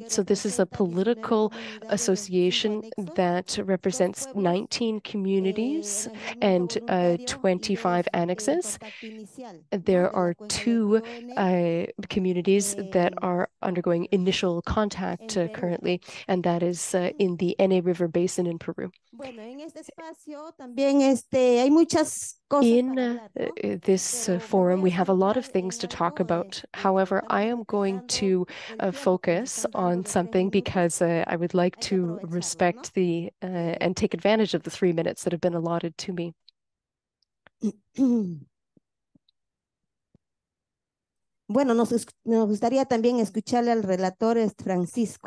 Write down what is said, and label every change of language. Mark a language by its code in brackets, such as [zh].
[en] So this is a political association that represents 19 communities and 25 annexes. There are two communities that are undergoing initial contact currently, and that is in the Ene River Basin in Peru. [es] Bueno, en este espacio también hay muchas cosas [en] in this forum, we have a lot of things to talk about. However, I am going to focus on something because I would like to respect the and take advantage of the 3 minutes that have been allotted to me. [es] Bueno, nos gustaría también escucharle al relator Francisco.